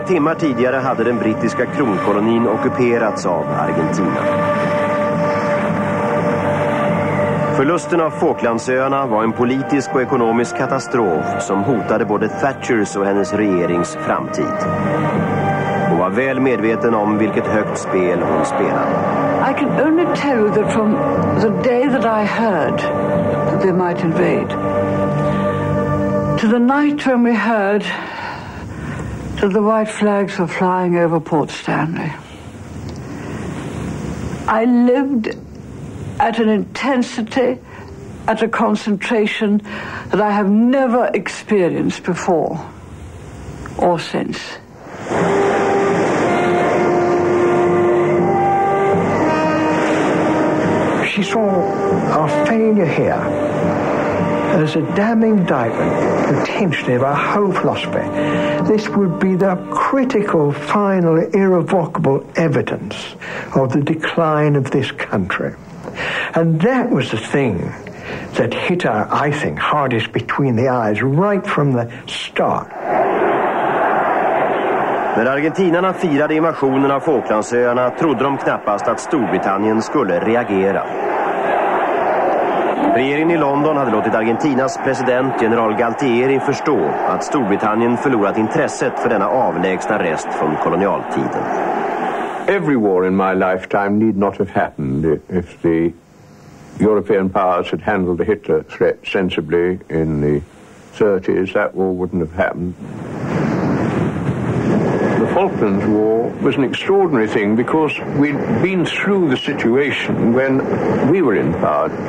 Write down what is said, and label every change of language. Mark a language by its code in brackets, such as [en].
[sv] Några timmar tidigare hade den brittiska kronkolonin ockuperats av Argentina. Förlusten av Falklandsöarna var en politisk och ekonomisk katastrof som hotade både Thatchers och hennes regerings framtid. Hon var väl medveten om vilket högt spel hon spelade. [en] I can only tell you that from the day that I heard that they might invade to the night when we heard that the white flags were flying over Port Stanley, I lived at an intensity, at a concentration that I have never experienced before or since. She saw our failure here as a damning indictment, potentially, of our whole philosophy. This would be the critical, final, irrevocable evidence of the decline of this country. And that was the thing that hit her, I think, hardest between the eyes right from the start. [sv] När argentinarna firade invasionen av Falklandsöarna trodde de knappast att Storbritannien skulle reagera. Regeringen i London hade låtit Argentinas president general Galtieri förstå att Storbritannien förlorat intresset för denna avlägsna rest från kolonialtiden. [en] Every war in my lifetime need not have happened if the European powers had handled the Hitler threat sensibly in the 30s. That war wouldn't have happened. The Falklands War was an extraordinary thing because we'd been through the situation when we were in power.